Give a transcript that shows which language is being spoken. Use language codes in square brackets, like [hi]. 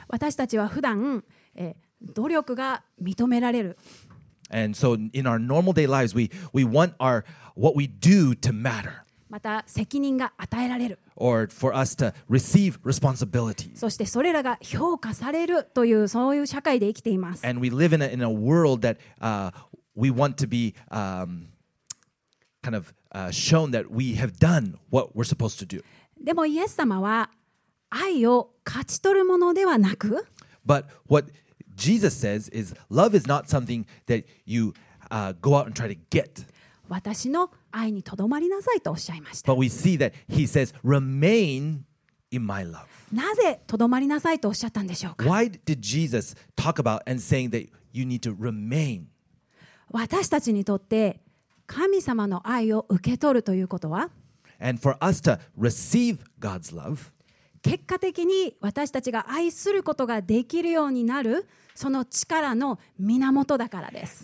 [ja] 私たちは普段、努力が認められる。 [en] And so in our normal day lives, we want our what we do to matter. [ja] また責任が与えられる。 [en] Or for us to receive responsibility. [ja] そしてそれらが評価されるというそういう社会で生きています。 [en] And we live in a world that we want to be kind of shown that we have done what we're supposed to do. [ja] でもイエス様は愛を勝ち取るものではなく、 [en] But whatJesus says, "Is love is not something that you go out and try to get." [ja] 私の愛にとどまりなさいとおっしゃいました。 [en] But we see that he says, "Remain in my love. [ja] なぜとどまりなさいとおっしゃったんでしょうか。 [en] Why did Jesus talk about and saying that you need to remain? [ja] 私たちにとって神様の愛を受け取るということは、 [en] And for us to receive God's love, [ja] 結果的に私たちが愛することができるようになるその力の源だからです。